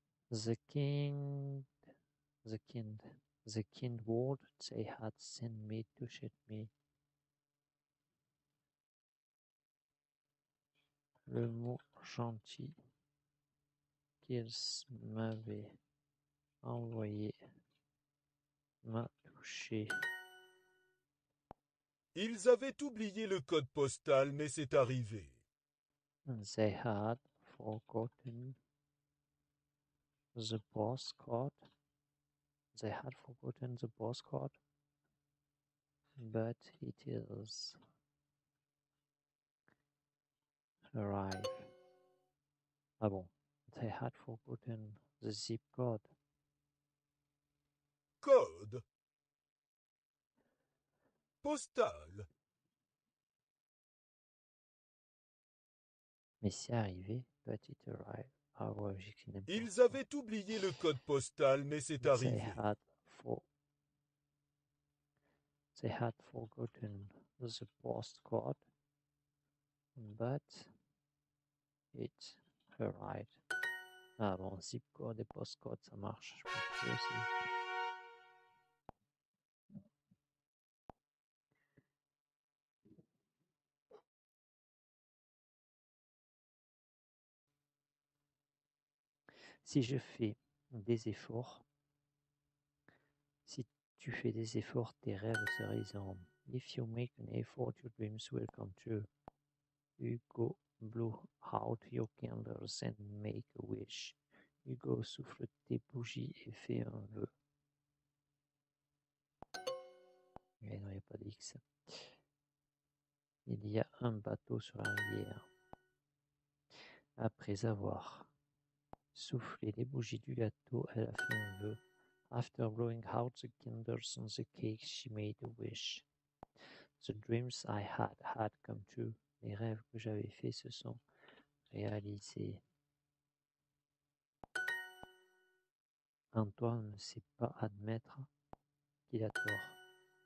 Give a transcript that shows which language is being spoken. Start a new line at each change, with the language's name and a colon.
English: The kind word they had sent me to shoot me.
French: Le mot gentil qu'ils m'avaient envoyé m'a touché. Ils avaient oublié le code postal, mais c'est arrivé.
English: They had forgotten the postcode. They had forgotten the postcode, but it is arrived.
French: Ah bon,
English: they had forgotten the zip code.
French: Code postal. Mais c'est arrivé,
English: but it arrived.
French: Ah ouais, j'ai qu'une impression. Ils avaient oublié le code postal, mais c'est arrivé.
English: They had forgotten the postcode, but it arrived.
French: Ah bon, zip code et postcode, ça marche. Je pense que aussi. Si je fais des efforts, si tu fais des efforts, tes rêves se réalisent.
English: If you make an effort, your dreams will come true. Hugo blew out your candles and make a wish.
French: Hugo souffle tes bougies et fait un vœu. Mais non, il n'y a pas d'X. Il y a un bateau sur la rivière. Après avoir souffler les bougies du gâteau, elle a fait un vœu.
English: After blowing out the candles on the cake, she made a wish. The dreams I had had come true.
French: Les rêves que j'avais faits se sont réalisés. Antoine ne sait pas admettre qu'il a tort.